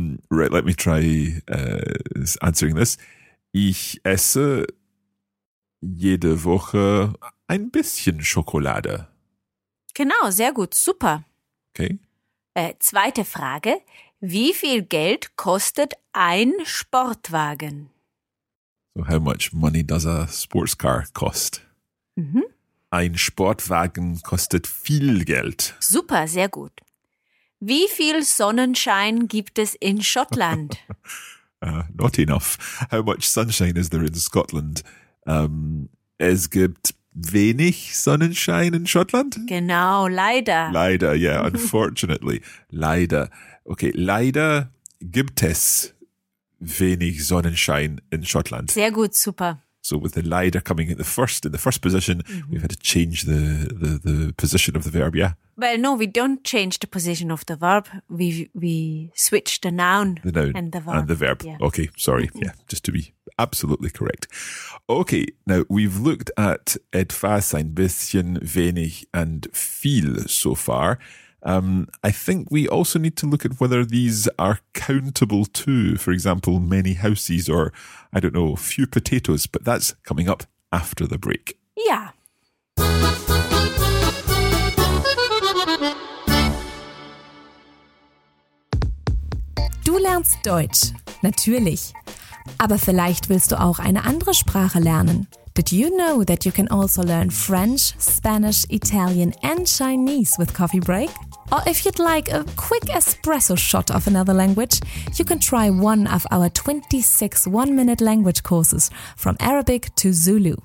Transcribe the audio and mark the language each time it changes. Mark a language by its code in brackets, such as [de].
[en] Right, let me try answering this. [de] Ich esse jede Woche ein bisschen Schokolade. Genau, sehr gut, super. [en] Okay. [de] Zweite Frage, wie viel Geld kostet ein Sportwagen? [en] So how much money does a sports car cost? Mm-hmm. [de] Ein Sportwagen kostet viel Geld. Super, sehr gut. Wie viel Sonnenschein gibt es in Schottland? [en] not enough. How much sunshine is there in Scotland? [de] Es gibt wenig Sonnenschein in Schottland? Genau, leider. [en] Leider, yeah, unfortunately. [de] Leider. Okay, leider gibt es wenig Sonnenschein in Schottland. Sehr gut, super. [en] So with the leider coming in the first position, mm-hmm. we've had to change the position of the verb, yeah? Well, no, we don't change the position of the verb. We switch the noun and the verb. And the verb. Yeah. Okay, sorry. Mm-hmm. Yeah, just to be absolutely correct. Okay, now we've looked at etwas, ein bisschen, wenig and viel so far. I think we also need to look at whether these are countable too. For example, many houses or, I don't know, few potatoes. But that's coming up after the break. Yeah. [de] Du lernst Deutsch, natürlich. Aber vielleicht willst du auch eine andere Sprache lernen. [en] Did you know that you can also learn French, Spanish, Italian and Chinese with Coffee Break? Or if you'd like a quick espresso shot of another language, you can try one of our 26 one-minute language courses from Arabic to Zulu.